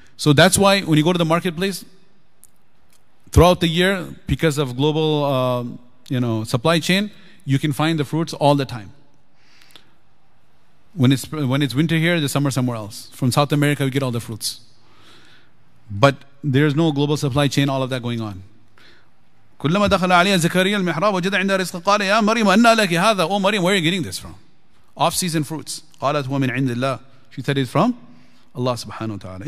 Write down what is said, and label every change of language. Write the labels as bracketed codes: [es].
[en] So that's why when you go to the marketplace throughout the year, because of global supply chain, you can find the fruits all the time. When it's winter here, there's summer somewhere else. From South America, we get all the fruits. But there's no global supply chain, all of that going on. [ar] كلما دخل عليها زكريا المحراب وجد عندها رزق قال يا مريم أنى لك هذا. [en] Oh Maryam, where are you getting this from? Off season fruits. [ar] قالت هو من عند الله. [en] She said it from Allah سبحانه وتعالى.